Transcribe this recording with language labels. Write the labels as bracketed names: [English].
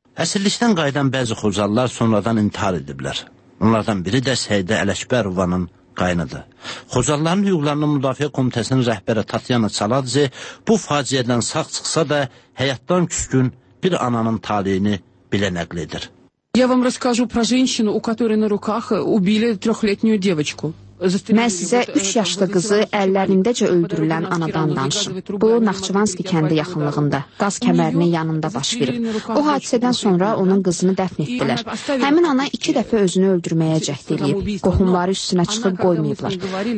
[Azerbaijani] Əsirlikdən qayıdan bəzi Xocalılar sonradan intihar ediblər. Onlardan biri də Səidə Ələkbərovanın qaynıdır. Xocalıların hüquqlarının müdafiə komitəsinin rəhbəri Tatyana Çaladze bu faciədən sağ çıxsa da həyatdan küskün bir ananın taleyini belə nəql edir. [Russian] Я вам расскажу про женщину, у которой на руках убили трехлетнюю девочку. [Azerbaijani] Mən sizə 3 yaşlı qızı əllərindəcə öldürülən anadan danışım. Bu, Naxçıvanski kəndi yaxınlığında, qaz kəmərinin yanında baş verib. O hadisədən sonra onun qızını dəfn etdilər. Həmin ana 2 dəfə özünü öldürməyə cəhd edib, qohumları üstünə çıxıb qoymayıblar.